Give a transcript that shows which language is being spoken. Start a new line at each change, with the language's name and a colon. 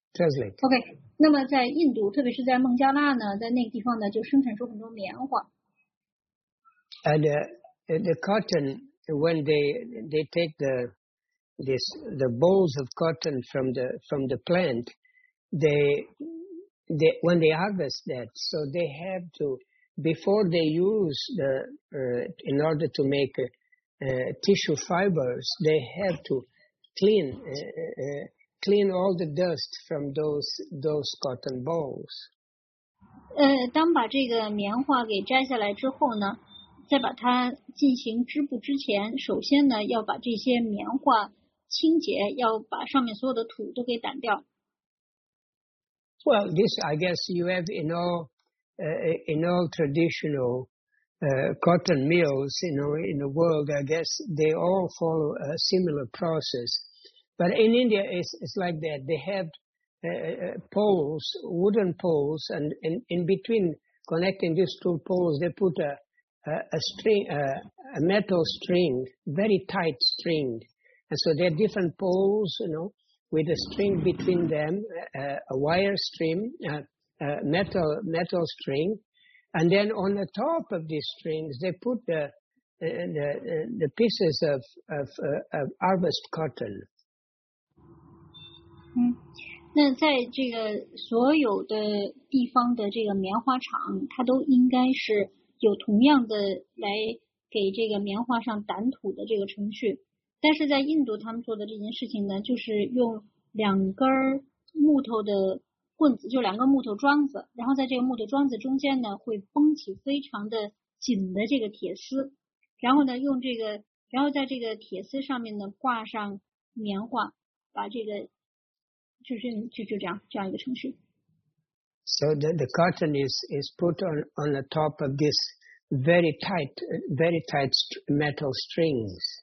Chinese: Okay, 那么在印度，特别是在孟加拉呢，在那个地方呢，就生产出很多棉花。
English: And the cotton, when they take the bolls of cotton from the plant, when they harvest that, so they have to, before they use the, in order to make tissue fibers, they have to clean all the dust from those cotton balls.
Chinese: 当把这个棉花给摘下来之后呢，在把它进行织布之前，首先呢，要把这些棉花清洁，要把上面所有的土都给掸掉。
English: Well, this I guess you have in all traditional cotton mills, you know, in the world. I guess they all follow a similar process. But in India, it's like that. They have poles, wooden poles, and in between connecting these two poles, they put a metal string, very tight string, and so there are different poles, you know, with a string between them, a metal string, and then on the top of these strings they put the pieces of harvest cotton.
Chinese: 那在这个所有的地方的这个棉花厂，它都应该是有同样的来给这个棉花上掸土的这个程序，但是在印度他们做的这件事情呢，就是用两根木头的棍子，就两个木头桩子，然后在这个木头桩子中间呢会绷起非常的紧的这个铁丝，然后呢用这个，然后在这个铁丝上面呢挂上棉花，把这个就这样一个程序。
English: So the cotton is put on the top of this very tight metal strings.